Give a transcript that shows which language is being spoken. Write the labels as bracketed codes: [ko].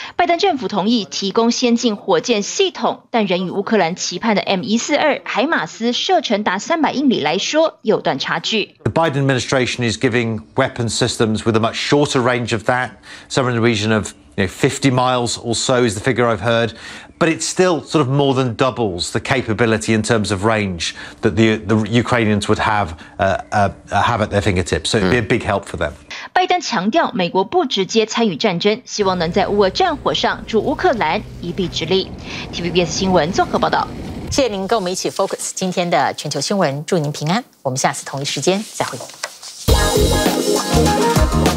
[zh] 拜登政府同意提供先进火箭系统，但仍与乌克兰期盼的 M142 海马斯射程达300英里来说，有段差距。 [en] The Biden administration is giving. Weapon systems with a much shorter range of that, somewhere in the region of 50 miles or so is the figure I've heard. But it still sort of more than doubles the capability in terms of range that the Ukrainians would have at their fingertips. So it'd be a big help for them. [zh] 拜登强调，美国不直接参与战争，希望能在乌俄战火上助乌克兰一臂之力。 TVBS 新闻综合报道。谢谢您跟我们一起 focus 今天的全球新闻，祝您平安，我们下次同一时间再会。